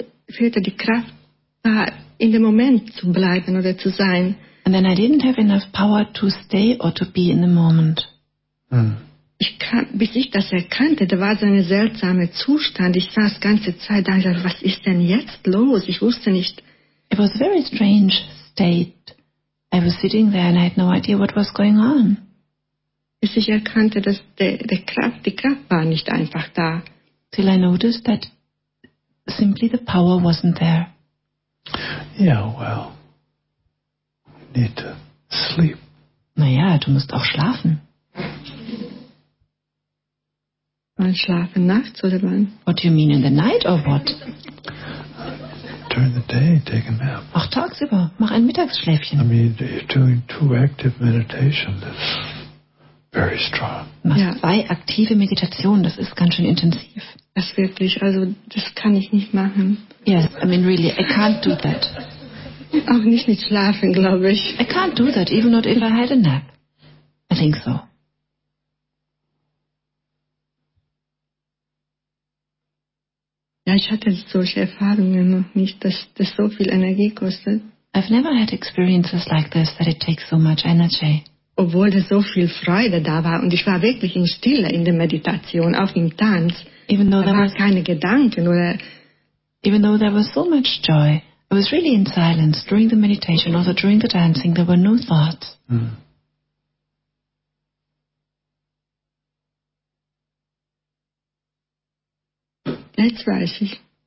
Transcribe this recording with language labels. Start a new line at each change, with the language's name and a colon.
German: Fehlte die Kraft, da in dem Moment zu bleiben oder zu sein.
English: And then I didn't have enough power to stay or to be in the moment. Mm.
German: Bis ich das erkannte, da war so ein seltsamer Zustand. Ich saß die ganze Zeit da und dachte, was ist denn jetzt los? Ich wusste nicht.
English: It was a very strange state. I was sitting there and I had no idea what was going on.
German: Bis ich erkannte, dass die Kraft war nicht einfach da.
English: Till I noticed that simply the power wasn't there. Yeah, well, we need to sleep.
German: Naja, du musst auch schlafen. Wann schlafen nachts oder wann?
English: What do you mean, in the night or what? During the day, take a nap.
German: Auch tagsüber, mach ein Mittagsschläfchen.
English: I mean, you're doing too active meditation. That's very strong.
German: Mach zwei aktive Meditationen, das ist ganz schön intensiv. Das wirklich, also das kann ich nicht machen.
English: Yes, I mean really, I can't do that. Auch nicht mit Schlafen, glaube ich. I can't do that, even not if I had a nap. I think so.
German: Ja, ich hatte solche Erfahrungen noch nicht, dass das so viel Energie kostet.
English: I've never had experiences like this, that it takes so much energy.
German: Obwohl da so viel Freude da war und ich war wirklich in Stille in der Meditation, auch im Tanz.
English: Even though there
German: was keine Gedanken oder
English: even though there was so much joy, I was really in silence during the meditation, also during the dancing, there were no thoughts.
German: Jetzt weiß ich.